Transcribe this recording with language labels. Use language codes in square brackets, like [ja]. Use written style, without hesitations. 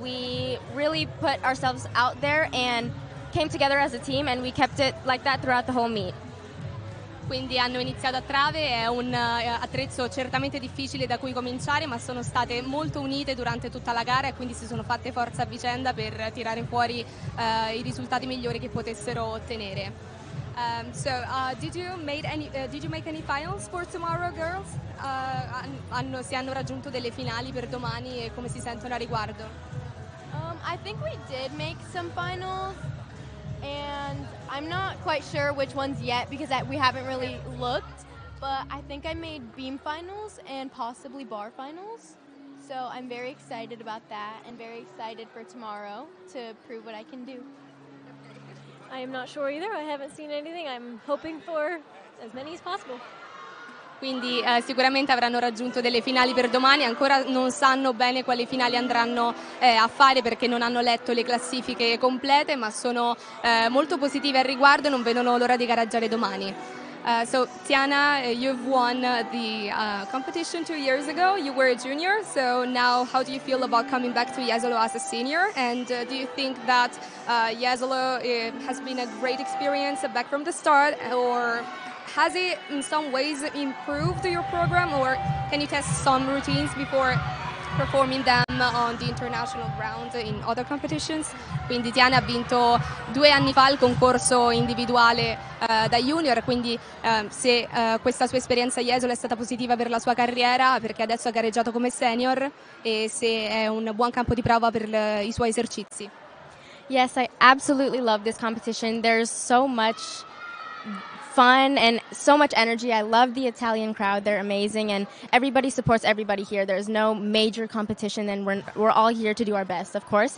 [en] We really put ourselves out there and came together as a team, and we kept it like that throughout the whole meet. [it] quindi hanno iniziato a trave. È un attrezzo certamente difficile da cui cominciare, ma sono state molto unite durante tutta la gara e quindi si sono fatte forza a vicenda per tirare fuori i risultati migliori che potessero ottenere. [en] Did you make any finals for tomorrow, girls? [it] Si hanno raggiunto delle finali per domani e come si sentono a riguardo? [en] I think we did make some finals, and I'm not quite sure which ones yet because we haven't really looked, but I think I made beam finals and possibly bar finals, so I'm very excited about that and very excited for tomorrow to prove what I can do. I am not sure either. I haven't seen anything. I'm hoping for as many as possible. [it] Quindi sicuramente avranno raggiunto delle finali per domani. Ancora non sanno bene quali finali andranno a fare perché non hanno letto le classifiche complete, ma sono molto positive al riguardo e non vedono l'ora di gareggiare domani. [en] So Tiana, you've won the competition 2 years ago. You were a junior, so now how do you feel about coming back to Jesolo as a senior? And do you think that Jesolo has been a great experience back from the start, or has it in some ways improved your program, or can you test some routines before performing them on the international ground in other competitions? [it] Quindi Tiana ha vinto 2 anni fa il concorso individuale da junior, quindi se questa sua esperienza a Jesolo è stata positiva per la sua carriera, perché adesso ha gareggiato come senior, e se è un buon campo di prova per i suoi esercizi. [en] Yes, I absolutely love this competition. There's so much fun and so much energy. I love the Italian crowd. They're amazing and everybody supports everybody here. There's no major competition and we're all here to do our best, of course.